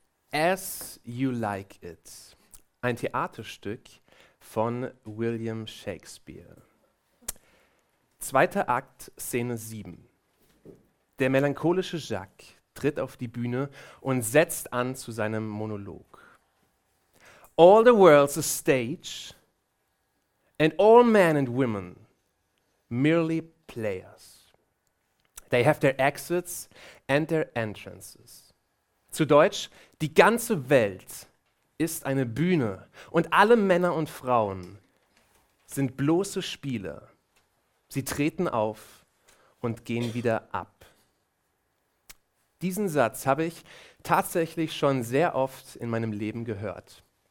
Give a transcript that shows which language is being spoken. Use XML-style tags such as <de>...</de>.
<de>As You Like It, ein Theaterstück von William Shakespeare. Zweiter Akt, Szene 7. Der melancholische Jacques tritt auf die Bühne und setzt an zu seinem Monolog.</de> <en>All the world's a stage and all men and women merely players. They have their exits and their entrances.</en> <de>Zu Deutsch, die ganze Welt ist eine Bühne und alle Männer und Frauen sind bloße Spieler. Sie treten auf und gehen wieder ab. Diesen Satz habe ich tatsächlich schon sehr oft in meinem Leben gehört.</de>